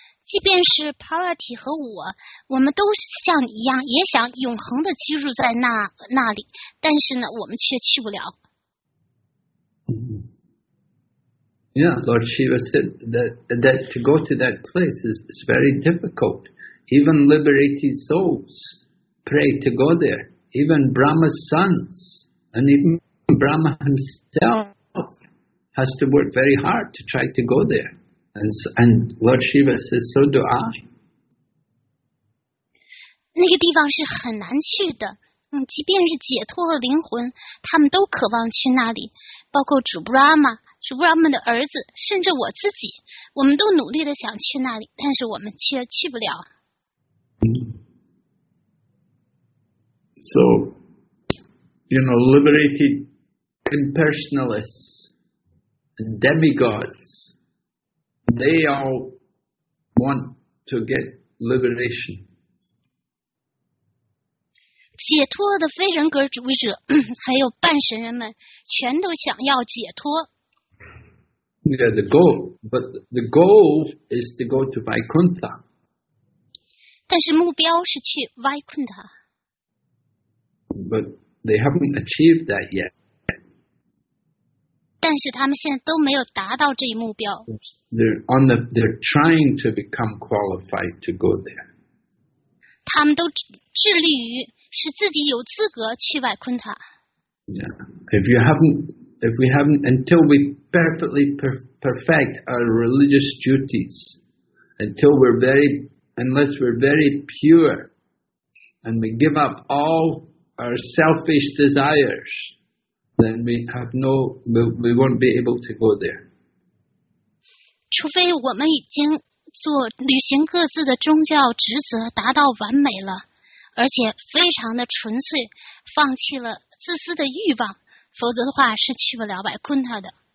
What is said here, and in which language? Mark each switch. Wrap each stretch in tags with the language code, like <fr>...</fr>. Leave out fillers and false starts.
<zh>即便是 Parvati 和我们都像你一样，也想永恒的居住在那里，但是呢，我们却去不了。</zh> <en>Yeah, Lord Shiva said that to go to that place is very difficult. Even liberated souls pray to go there. Even Brahma's sons and even Brahma himself has to work very hard to try to go there. And Lord Shiva says, so do I.</en> <zh>那个地方是很难去的。即便是解脱和灵魂，他们都渴望去那里。包括主 Brahma, 主 Brahma 的儿子，甚至我自己，我们都努力地想去那里，但是我们却去不了。</zh> <en>So, you know, liberated impersonalists and demigods, they all want to get liberation.</en> <zh>解脱的非人格主义者还有半神人们全都想要解脱。</zh> <en>Yeah, the goal, but the goal is to go to Vaikuntha.</en> <zh>但是目标是去 Vaikuntha.</zh> <en>But they haven't achieved that yet.</en> <zh>但是他们现在都没有达到这一目标。</zh> <en>They're trying to become qualified to go there.</en> <zh>他们都致力于使自己有资格去 Vaikuntha.</zh> <en>Yeah, if you haven't. If we haven't, until we perfectly perfect our religious duties, unless we're very pure, and we give up all our selfish desires, then we won't be able to go there.</en> <zh>除非我们已经做履行各自的宗教职责达到完美了，而且非常的纯粹，放弃了自私的欲望。否则的话是去不了百昆塔的。</zh>